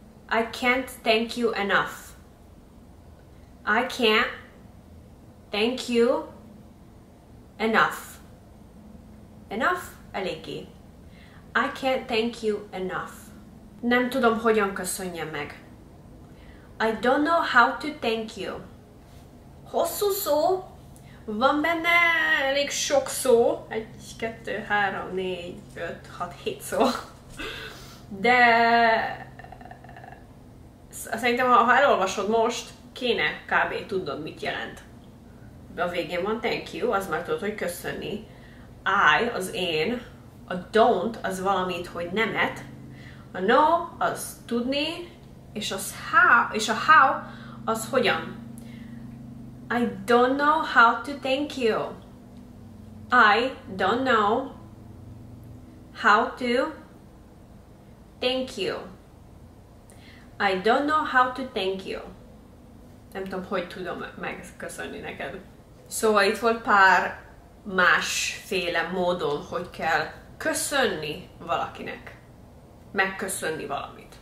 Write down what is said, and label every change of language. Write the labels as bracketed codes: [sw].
[en] I can't thank you enough. I can't thank you enough. Enough, eléggé. I can't thank you enough. [hu] Nem tudom, hogyan köszönjem meg. [en] I don't know how to thank you. [hu] Hosszú szó. Van benne elég sok szó. 1, 2, 3, 4, 5, 6, 7 szó. De szerintem, ha elolvasod most, kéne kb. Tudnod, mit jelent. De a végén van [en] thank you, [hu] az már tudod, hogy köszönni. I, az én. A don't, az valamit, hogy nemet. A no, az tudni. És az how, és a how, az hogyan. [en] I don't know how to thank you. I don't know how to thank you. I don't know how to thank you. [hu] Nem tudom, hogy tudom megköszönni neked. Szóval itt volt pár másféle módon, hogy kell köszönni valakinek. Megköszönni valamit.